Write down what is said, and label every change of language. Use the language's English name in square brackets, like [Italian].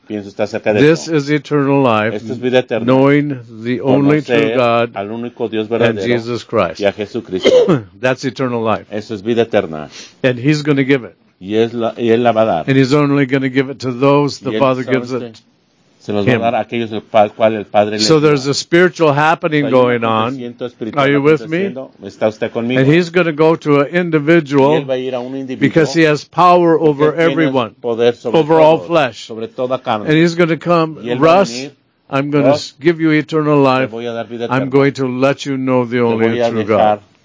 [Spanish] Pienso está cerca de [English] this [Spanish] eso. [English] Is eternal life. [Spanish] Esto es vida eterna. [English] Knowing the [Spanish] conocer [English] only true God [Spanish] al único Dios verdadero [English] and Jesus Christ. [Spanish] Y a Jesucristo. [English] That's eternal life. [Spanish] Eso es vida eterna. [English] And He's going to give it. [Spanish] Y él la va a dar. [English] And He's only going to give it to those the Father gives it. [Spanish] Se los va a dar a aquellos al cual el Padre [English] so there's a spiritual happening going on. Are you with me? [Spanish] ¿Está usted conmigo? [English] And he's going to go to an individual [Spanish] él va a ir a un individuo [English] because he has power over everyone, [Spanish] poder sobre [English] over [Spanish] todo, [English] all flesh. [Spanish] Sobre toda carne. [English] And he's going to come, Russ, I'm going to give you eternal life. [Spanish] Voy a dar vida [English] I'm going to let you know the only true God.